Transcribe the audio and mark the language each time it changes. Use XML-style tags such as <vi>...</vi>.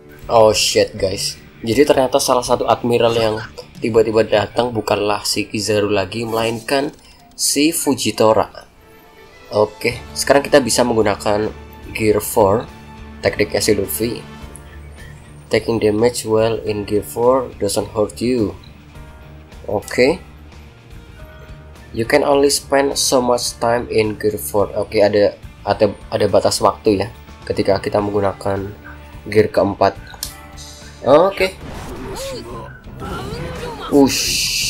<en>Oh shit guys.</en> <id>Jadi ternyata salah satu admiral yang tiba-tiba datang bukanlah si Kizaru lagi, melainkan si Fujitora. Oke, sekarang kita bisa menggunakan Gear 4, tekniknya si Luffy.</id> <en>Taking damage while in Gear 4 doesn't hurt you. Oke. You can only spend so much time in Gear 4.</en> <id>Oke, ada batas waktu ya ketika kita menggunakan gear keempat. Oke. Ush.</id>